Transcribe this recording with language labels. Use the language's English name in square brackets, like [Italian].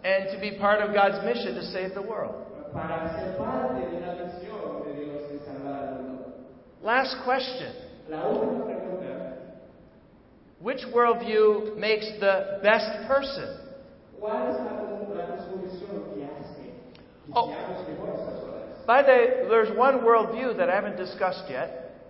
[English] to be part of God's mission to save the world. [Spanish] Para ser parte de la misión de Dios de salvar al mundo. [English] Last question. [Spanish] La última pregunta. [English] Which worldview makes the best person? [Spanish] ¿Cuál es la cosmovisión que hace? Oh. [English] By the way, there's one worldview that I haven't discussed yet.